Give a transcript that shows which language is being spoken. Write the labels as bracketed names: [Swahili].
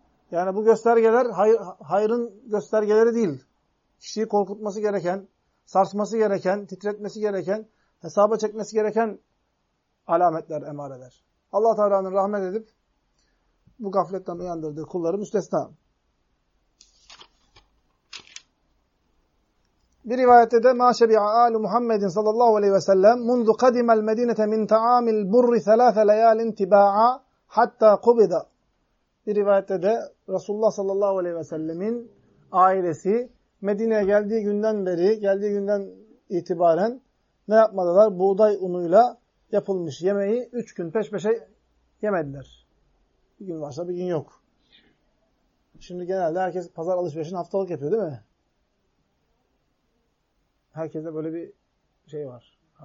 [Turkish] Yani bu göstergeler hayrın göstergeleri değil. Kişiyi korkutması gereken, sarsması gereken, titretmesi gereken, hesaba çekmesi gereken alametler, emareler. Allah-u Teala'nın rahmet edip bu gafletten uyandırdığı kulları müstesna. Bir rivayette de [Arabic] مَا شَبِعَ آلُ مُحَمَّدٍ صَلَى اللّٰهُ عَلَيْهِ وَسَلَّمْ مُنْذُ قَدِمَ الْمَد۪ينَةَ مِنْ تَعَامِ الْبُرِّ ثَلَاثَ لَيَالٍ تِبَاعًا حَتَّى قُبِدَ. [Turkish] Bir rivayette de Resulullah sallallahu aleyhi ve sellemin ailesi Medine'ye geldiği günden beri, geldiği günden itibaren ne yapmadılar? Buğday unuyla yapılmış yemeği 3 gün peş peşe yemediler. Bir gün varsa bir gün yok. Şimdi genelde herkes pazar alışverişini haftalık yapıyor, değil mi? Herkese böyle bir şey var.